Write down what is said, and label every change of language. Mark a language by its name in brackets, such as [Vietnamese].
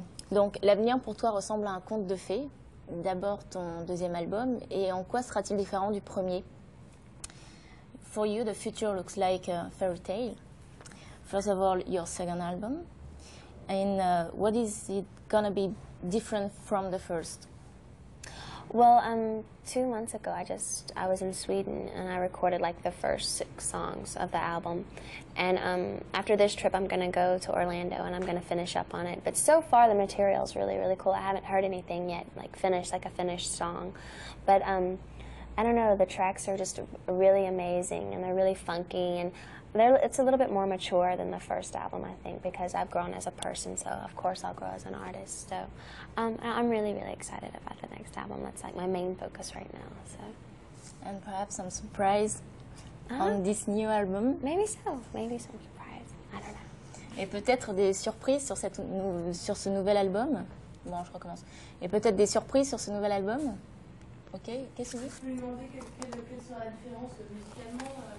[French] Donc, l'avenir pour toi ressemble à un conte de fées. D'abord, ton deuxième album. Et en quoi sera-t-il différent du premier? [English] For you, the future looks like a fairy tale. First of all, your second album. And what is it going to be different from the first? Well, 2 months ago, I was in Sweden and I recorded like the first 6 songs of the album. And after this trip, I'm going to go to Orlando and I'm going to finish up on it. But so far, the material's really, really cool. I haven't heard anything yet, like a finished song. But I don't know, the tracks are just really amazing and they're really funky. And it's a little bit more mature than the first album, I think, because I've grown as a person, so of course I'll grow as an artist. So I'm really, really excited about the next album. That's like my main focus right now. So. And perhaps some surprise on this new album? Maybe so. Maybe some surprise. I don't know. [French] Et peut-être des surprises sur ce nouvel album? Bon, je recommence. Et peut-être des surprises sur ce nouvel album? Ok, qu'est-ce que vous voulez? Je voulais lui demander quelle sera la différence musicalement